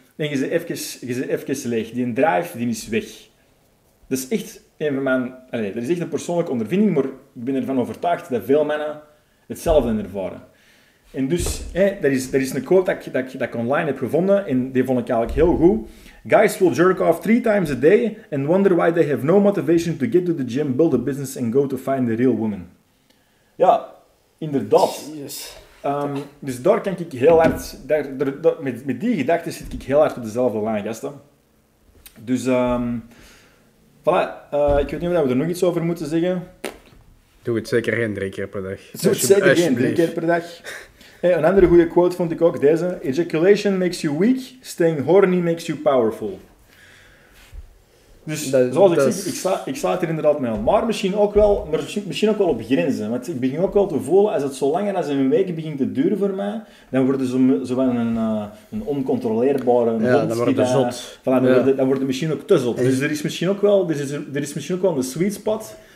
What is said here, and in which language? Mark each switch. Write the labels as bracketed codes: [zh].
[nl] En je zit even leeg. Die drive, die is weg. Dat is echt een van mijn... Allee, dat is echt een persoonlijke ondervinding, maar ik ben ervan overtuigd dat veel mannen hetzelfde ervaren. En dus, dat is een quote dat ik online heb gevonden en die vond ik eigenlijk heel goed. [en] Guys will jerk off 3 times a day and wonder why they have no motivation to get to the gym, build a business and go to find the real woman. [nl] Ja, inderdaad. Jezus. Dus daar kan ik heel hard... Met die gedachten zit ik heel hard op dezelfde lijn, gasten. Dus, voilà. Ik weet niet of we er nog iets over moeten zeggen. Doe het zeker geen 3 keer per dag. Doe het zeker geen 3 keer per dag. Hey, een andere goede quote vond ik ook deze. [en] Ejaculation makes you weak, staying horny makes you powerful. [nl] Dus dat, zoals ik zeg, ik sla het er inderdaad mee aan. Maar misschien ook wel op grenzen. Want ik begin ook wel te voelen, als het zo langer als een week begint te duren voor mij, dan worden ze zowel een oncontroleerbare hond. Ja, dan worden ze zot. Voilà, ja. Dan worden misschien ook te zot. Dus er is misschien ook wel een sweet spot.